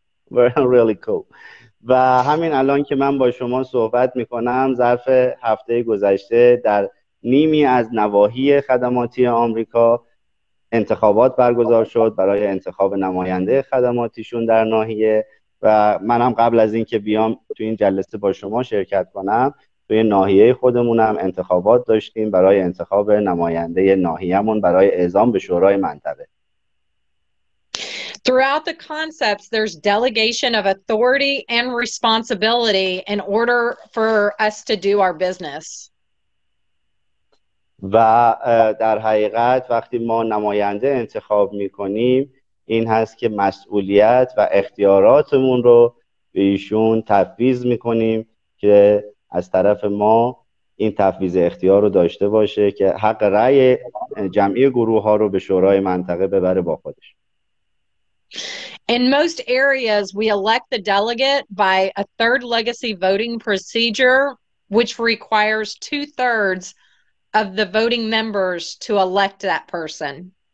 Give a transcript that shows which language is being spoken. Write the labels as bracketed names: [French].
[English] Really cool. [Persian] و همین الان که من با شما صحبت میکنم، ظرف هفته گذشته در نیمی از نواحی خدماتی آمریکا انتخابات برگزار شد برای انتخاب نماینده خدماتیشون در ناحیه. و منم قبل از این که بیام تو این جلسه با شما شرکت کنم توی ناحیه خودمونم انتخابات داشتیم برای انتخاب نماینده ناحیه‌مون برای اعزام به شورای منطقه. [English] Throughout the concepts there's delegation of authority and responsibility in order for us to do our business. [Persian] و در حقیقت وقتی ما نماینده انتخاب می‌کنیم این هست که مسئولیت و اختیاراتمون رو به ایشون تفویض میکنیم که از طرف ما این تفویض اختیار رو داشته باشه که حق رأی جمعی گروه ها رو به شورای منطقه ببره با خودش. [English] In most areas we elect the delegate by a third legacy voting procedure which requires 2/3 of the voting members to elect that person.